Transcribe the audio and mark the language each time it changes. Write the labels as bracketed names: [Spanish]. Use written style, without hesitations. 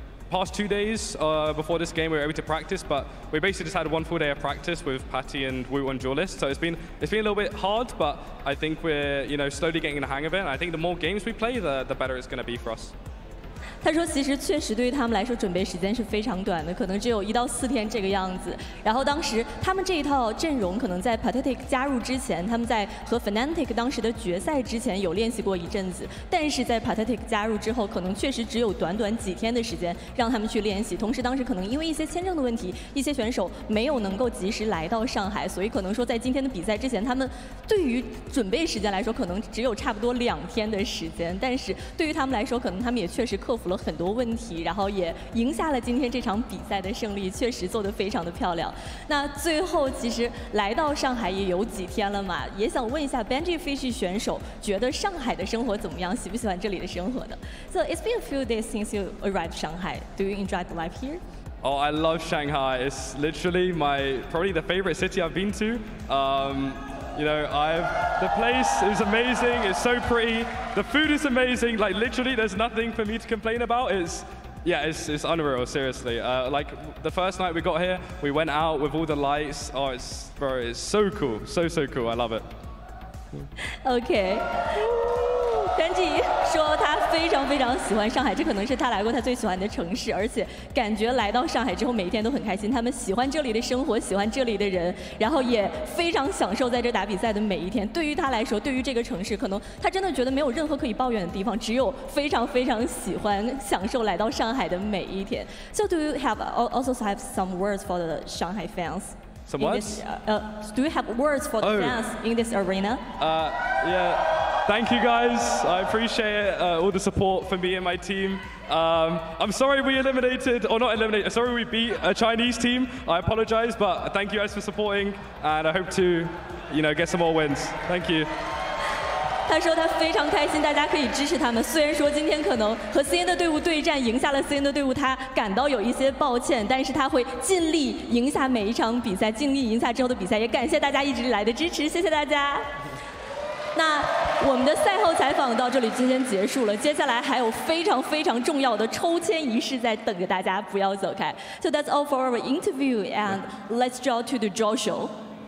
[English] Past 2 days before this game, we were able to practice, but we basically just had one full day of practice with Patty and Wu on duelist. So it's been a little bit hard, but I think we're, you know, slowly getting the hang of it. And I think the more games we play, the better it's going to be for us. [Chinese] 他说其实确实对于他们来说准备时间是非常短的，可能只有一到四天这个样子。然后当时他们这一套阵容可能在 Pathetic 加入之前，他们在和 Fnatic 当时的决赛之前有练习过一阵子，但是在 Pathetic 加入之后可能确实只有短短几天的时间让他们去练习。同时当时可能因为一些签证的问题，一些选手没有能够及时来到上海，所以可能说在今天的比赛之前他们对于准备时间来说可能只有差不多两天的时间，但是对于他们来说可能他们也确实克服了很多问题，然后也赢下了今天这场比赛的胜利，确实做得非常的漂亮。那最后其实来到上海也有几天了嘛，也想问一下 Benji Fish 选手觉得上海的生活怎么样，喜不喜欢这里的生活呢？ [English] So it's been a few days since you arrived Shanghai. Do you enjoy the life here? Oh, I love Shanghai. It's literally my, probably the favorite city I've been to. You know, the place is amazing. It's so pretty. The food is amazing. Like literally there's nothing for me to complain about. It's unreal, seriously. Like the first night we got here, we went out with all the lights. Oh, it's so cool. So, so cool. I love it. Okay. [Chinese] Benji 说他非常非常喜欢上海，这可能是他来过他最喜欢的城市，而且感觉来到上海之后每一天都很开心，他们喜欢这里的生活，喜欢这里的人，然后也非常享受在这打比赛的每一天。对于他来说，对于这个城市，可能他真的觉得没有任何可以抱怨的地方，只有非常非常喜欢享受来到上海的每一天。 [English] So do you have also have some words for the Shanghai fans Some words? Do you have words for the fans in this arena? Yeah, thank you guys. I appreciate all the support for me and my team. I'm sorry we eliminated, or not eliminated, sorry we beat a Chinese team. I apologize, but thank you guys for supporting, and I hope to, you know, get some more wins. Thank you. [Chinese] 他说他非常开心大家可以支持他们，虽然说今天可能和 CN 的队伍对战赢下了 CN 的队伍他感到有一些抱歉，但是他会尽力赢下每一场比赛，尽力赢下之后的比赛，也感谢大家一直来的支持，谢谢大家。那我们的赛后采访到这里今天结束了，接下来还有非常非常重要的抽签仪式在等着大家，不要走开。 [English] So that's all for our interview and let's draw to the draw showDraw show.